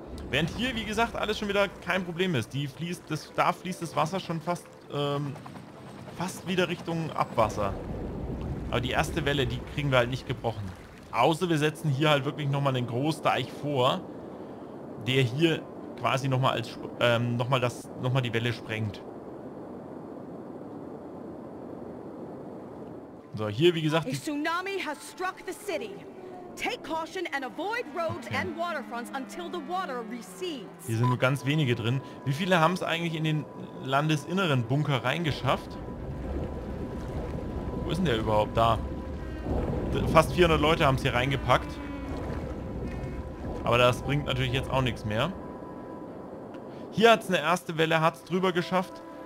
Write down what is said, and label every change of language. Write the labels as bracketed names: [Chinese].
[German] Während hier, wie gesagt, alles schon wieder kein Problem ist. Da fließt das Wasser schon fast, fast wieder Richtung Abwasser. Aber die erste Welle, die kriegen wir halt nicht gebrochen. Außer wir setzen hier halt wirklich nochmal einen Großdeich vor, der hier quasi nochmal als nochmal die Welle sprengt. So, hier wie gesagt. [English] A tsunami has struck the city. Take caution and avoid roads and waterfronts until the water recedes. [German] Hier sind nur ganz wenige drin. Wie viele haben es eigentlich in den landesinneren Bunker reingeschafft? Wo ist denn der überhaupt da? Fast 400 Leute haben es hier reingepackt. Aber das bringt natürlich jetzt auch nichts mehr. Hier hat es eine erste Welle, hat es drüber geschafft.